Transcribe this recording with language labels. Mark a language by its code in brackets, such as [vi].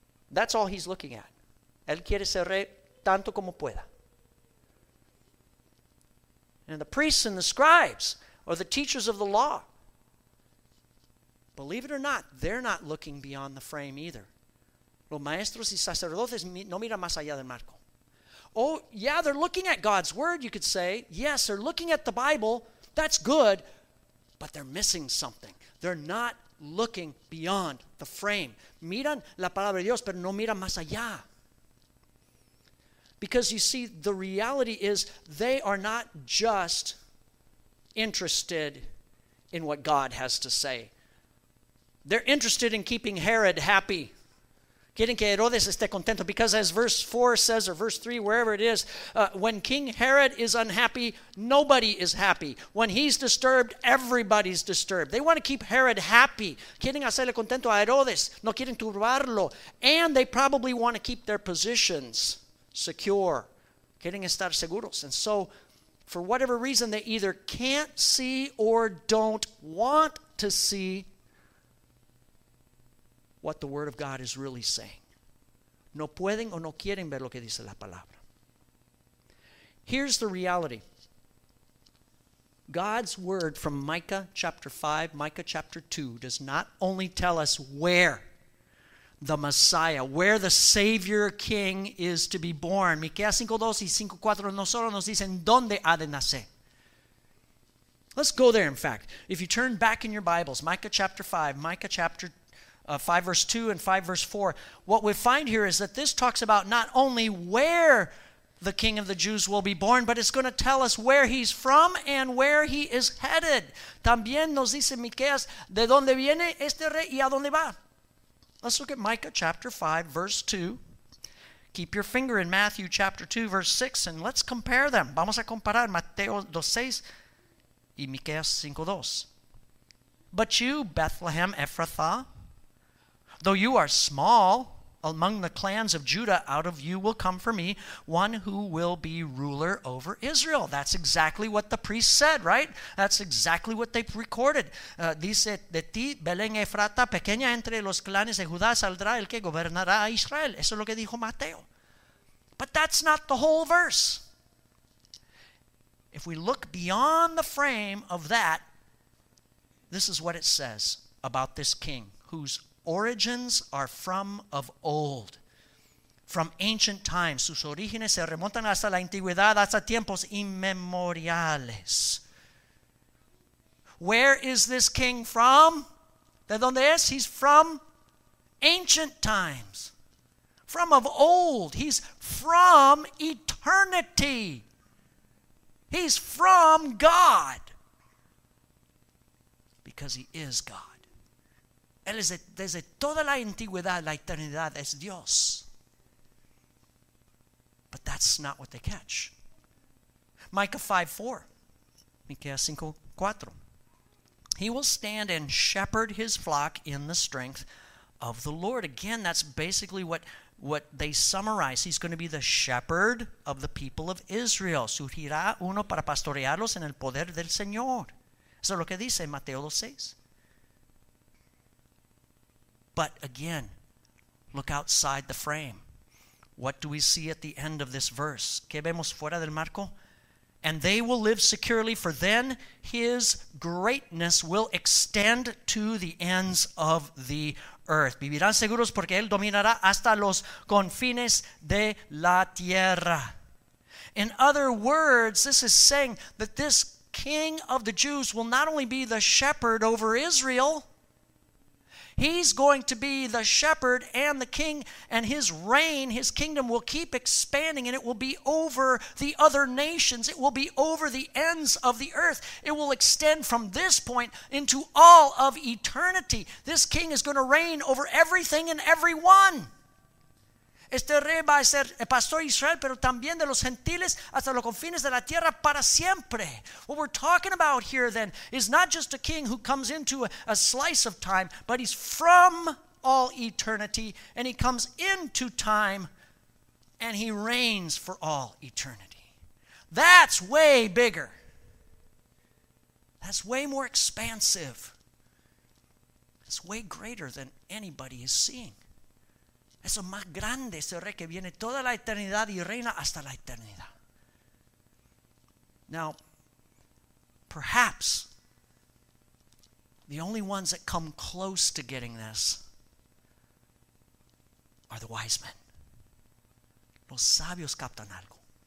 [en] That's all he's looking at. [es] Él quiere ser rey tanto como pueda. [en] And the priests and the scribes, or the teachers of the law, believe it or not, they're not looking beyond the frame either. [es] Los maestros y sacerdotes no miran más allá del marco. [en] Oh, yeah, they're looking at God's word, you could say. Yes, they're looking at the Bible. That's good. But they're missing something. They're not looking beyond the frame. [es] Miran la palabra de Dios, pero no miran más allá. [en] Because you see, the reality is they are not just interested in what God has to say. They're interested in keeping Herod happy. [es] Quieren que Herodes esté contento. [en] Because as verse 4 says, or verse 3, wherever it is, when King Herod is unhappy, nobody is happy. When he's disturbed, everybody's disturbed. They want to keep Herod happy. [es] Quieren hacerle contento a Herodes. No quieren turbarlo. [en] And they probably want to keep their positions secure. [es] Quieren estar seguros. [en] And so, for whatever reason, they either can't see or don't want to see what the Word of God is really saying. [es] No pueden o no quieren ver lo que dice la palabra. [en] Here's the reality. God's Word from Micah chapter 5, Micah chapter 2, does not only tell us where the Messiah, where the Savior King is to be born. [es] Micah 5:2 y 5:4 no solo nos dicen dónde ha de nacer. [en] Let's go there, in fact. If you turn back in your Bibles, Micah chapter 5, Micah chapter 2, 5 verse 2 and 5 verse 4, what we find here is that this talks about not only where the King of the Jews will be born, but it's going to tell us where he's from and where he is headed. [es] También nos dice Miqueas, ¿de dónde viene este rey y a dónde va? [en] Let's look at Micah chapter 5 verse 2. Keep your finger in Matthew chapter 2 verse 6 and let's compare them. [es] Vamos a comparar Mateo 2:6 y Miqueas 5:2. [en] But you, Bethlehem Ephrathah, though you are small among the clans of Judah, out of you will come for me one who will be ruler over Israel. That's exactly what the priest said, right? That's exactly what they recorded. [es] Dice, de ti, Belén Efrata, pequeña entre los clanes de Judá, saldrá el que gobernará a Israel. Eso es lo que dijo Mateo. [en] But that's not the whole verse. If we look beyond the frame of that, this is what it says about this king who's origins are from of old, from ancient times. [es] Sus orígenes se remontan hasta la antigüedad, hasta tiempos inmemoriales. [en] Where is this king from? [es] ¿De dónde es? [en] He's from ancient times, from of old. He's from eternity. He's from God, because he is God. [es] Él es desde toda la antigüedad, la eternidad, es Dios. [en] But that's not what they catch. Micah 5:4. Micah 5:4. He will stand and shepherd his flock in the strength of the Lord. Again, that's basically what they summarize. He's going to be the shepherd of the people of Israel. [es] Surgirá uno para pastorearlos en el poder del Señor. Eso es lo que dice Mateo 2:6. [en] But again, look outside the frame. What do we see at the end of this verse? [es] ¿Qué vemos fuera del marco? [en] And they will live securely, for then his greatness will extend to the ends of the earth. [es] Vivirán seguros porque él dominará hasta los confines de la tierra. [en] In other words, this is saying that this king of the Jews will not only be the shepherd over Israel, he's going to be the shepherd and the king, and his reign, his kingdom will keep expanding, and it will be over the other nations. It will be over the ends of the earth. It will extend from this point into all of eternity. This king is going to reign over everything and everyone. [es] Este rey va a ser el pastor de Israel, pero también de los gentiles hasta los confines de la tierra para siempre. [en] What we're talking about here then is not just a king who comes into a slice of time, but he's from all eternity, and he comes into time and he reigns for all eternity. That's way bigger. That's way more expansive. It's way greater than anybody is seeing. [es] Eso es más grande, ese rey que viene toda la eternidad y reina hasta la eternidad. [en] Now, perhaps the only ones that come close to getting this are the wise men. [es] Los sabios captan algo.